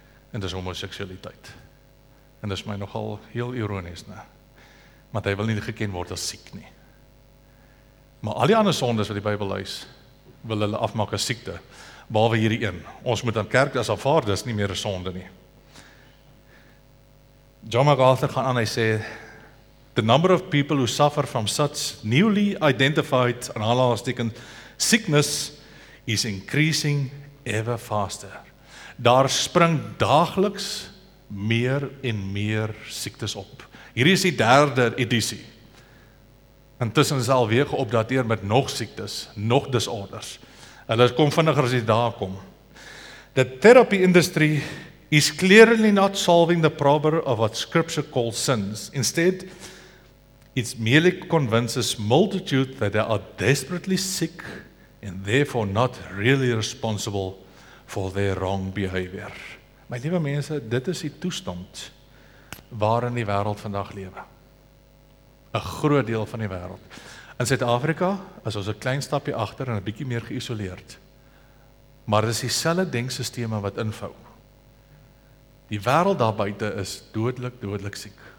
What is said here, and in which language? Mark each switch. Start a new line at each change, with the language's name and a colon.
Afrikaans: En dis homoseksualiteit. En dis my nogal heel ironies, ne? Want hy wil nie geken word as siek nie. Maar al die ander sondes wat die Bybel lys, wil hulle afmaak as siekte, behalwe hierdie een. Ons moet aan kerk as aanvaar, dis nie meer 'n sonde nie.
English: John MacArthur
Afrikaans: gaan aan, hy sê,
English: the number of people who suffer from such newly identified and alarming sickness is increasing ever faster.
Afrikaans: Daar spring daagliks meer en meer siektes op. Hierdie is die derde edisie. Intussen is alweer geopdateer met nog siektes, nog disorders. Hulle kom vinniger as die dae kom.
English: The therapy industry is clearly not solving the problem of what scripture calls sins. Instead, it merely convinces multitude that they are desperately sick and therefore not really responsible for their wrong behavior.
Afrikaans: My liewe mense, dit is die toestand waarin die wêreld vandag lewe. 'N groot deel van die wêreld. In Suid-Afrika is ons 'n klein stapje agter en 'n bietjie meer geïsoleerd. Maar dis dieselfde denkstelsels wat invou. Die wêreld daar buite is dodelik, dodelik siek.